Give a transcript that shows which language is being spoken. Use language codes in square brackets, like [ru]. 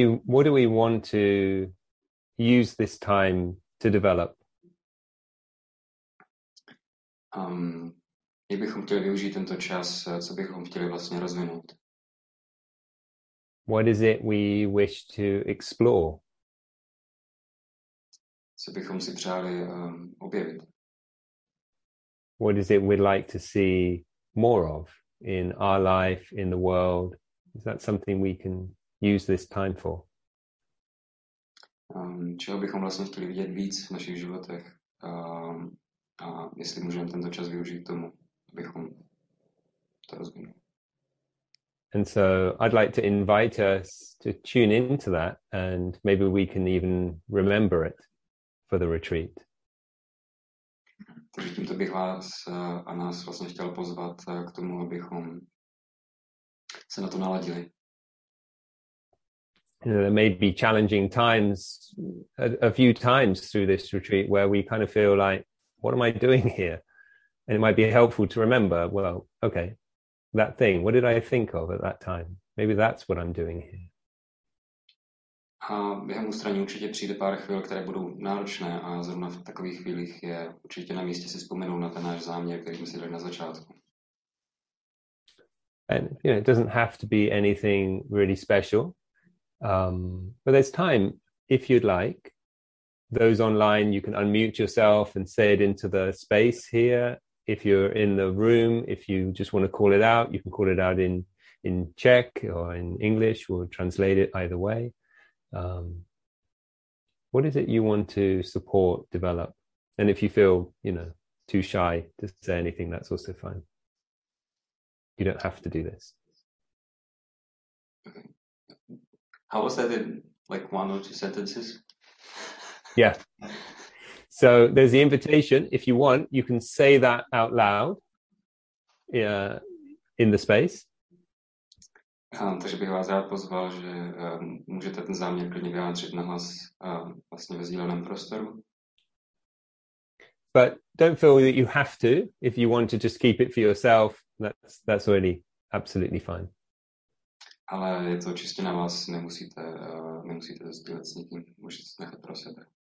[en] What do we want to use this time to develop? [cs] Jak bychom chtěli využít tento čas, co bychom chtěli vlastně rozvinout? [en] What is it we wish to explore? [cs] Co bychom si přáli objevit? [en] What is it we'd like to see more of in our life, in the world? Is that something we can use this time for? [cs] Čeho bychom vlastně chtěli vidět víc v našich životech? A jestli můžeme tento čas využít k tomu, abychom to rozvinuli. [en] And so I'd like to invite us to tune into that and maybe we can even remember it for the retreat. [cs] Takže tímto bych vás a nás vlastně chtěl pozvat k tomu, abychom se na to naladili. [en] You know, there may be challenging times, a few times through this retreat where we kind of feel like, what am I doing here? And it might be helpful to remember, well, okay, that thing, what did I think of at that time? Maybe that's what I'm doing here. [cs] A během ústraní určitě přijde pár chvíl, které budou náročné a zrovna v takových chvílích je určitě na místě si vzpomenout na ten náš záměr, který jsme si dali na začátku. [en] And, you know, it doesn't have to be anything really special. But there's time, if you'd like. Those online, you can unmute yourself and say it into the space here. If you're in the room, if you just want to call it out, you can call it out in Czech or in English. We'll translate it either way. What is it you want to support, develop? And if you feel, you know, too shy to say anything, that's also fine. You don't have to do this. Okay. How was that in like one or two sentences? Yeah. So there's the invitation. If you want, you can say that out loud in the space. [cs] Takže bych vás rád pozval, že můžete ten záměr klidně vyjádřit nahlas vlastně ve sdíleném prostoru. [en] But don't feel that you have to. If you want to just keep it for yourself, that's really absolutely fine. [cs] Ale je to čistě na vás, nemusíte to sdílet s nikým, můžete to nechat pro sebe.